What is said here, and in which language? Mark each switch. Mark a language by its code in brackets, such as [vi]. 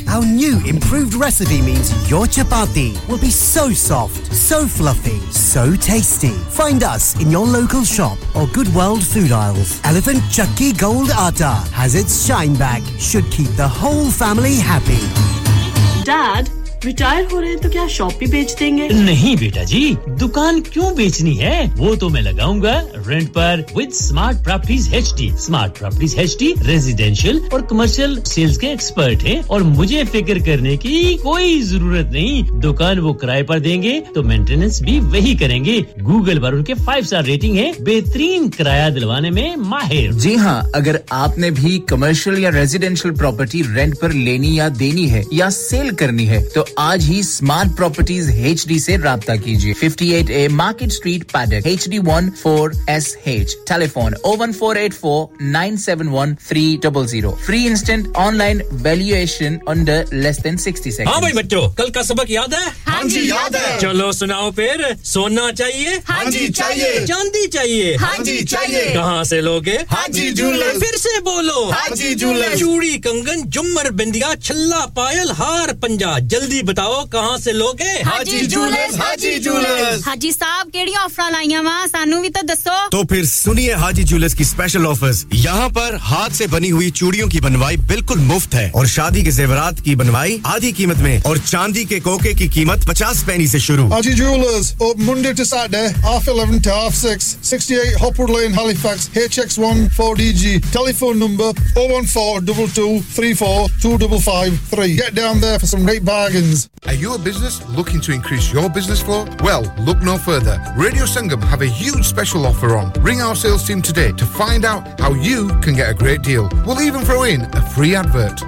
[en] Our new improved recipe means your chapati will be so soft, so fluffy, so tasty. Find us in your local shop or Good World Food Aisles. Elephant Chakki Gold Atta has its shine back. Should keep the whole family happy. [hi] Dad, retire हो रहे हैं तो क्या shop भी बेच देंगे? नहीं बेटा जी, दुकान क्यों बेचनी है? वो तो मैं लगाऊंगा रेंट पर with Smart Properties HD. Smart Properties HD residential और commercial sales के expert हैं और मुझे फिकर करने की कोई ज़रूरत नहीं. दुकान वो किराए पर देंगे तो maintenance भी वही करेंगे. Google पर उनके 5-star rating है, बेहतरीन किराया दिलवाने में माहिर. जी हाँ, अगर आपने भी commercial या residential property rent पर लेनी या देनी है या sale करनी है तो आज ही Smart Properties HD से राबता कीजिए 58A Market Street Paddock HD14SH Telephone 01484971300 [en] Free instant online valuation under less than 60 seconds [hi] हाँ भाई बच्चों कल का सबक याद है हाँ जी याद है चलो सुनाओ फिर सोना चाहिए हाँ जी चाहिए चांदी चाहिए हाँ जी चाहिए कहाँ से लोगे हाँ जी जूलर फिर से बोलो हाँ जी जूलर चूड़ी कंगन जुमर बिंदिया छल्ला पायल हार पंजा जल्दी बताओ कहां से लोगे हाजी ज्वेलर्स हाजी ज्वेलर्स [pa] हाजी साहब केडी ऑफर लाईयां वा सानू भी तो दसो [hi] तो फिर सुनिए हाजी ज्वेलर्स की स्पेशल ऑफर्स यहां पर हाथ से बनी हुई चूड़ियों की बनवाई बिल्कुल मुफ्त है और शादी के जेवरात की बनवाई आधी कीमत में और चांदी के कोके की कीमत 50 पैसे से शुरू [en] Haji jewellers open Monday to Saturday half 11 to half 6 68 Hopwood Lane Halifax HX14DG telephone number 01422342553 get down there for some great Are you a business looking to increase your business flow? Well, look no further. Radio Sangam have a huge special offer on. Ring our sales team today to find out how you can get a great deal. We'll even throw in a free advert.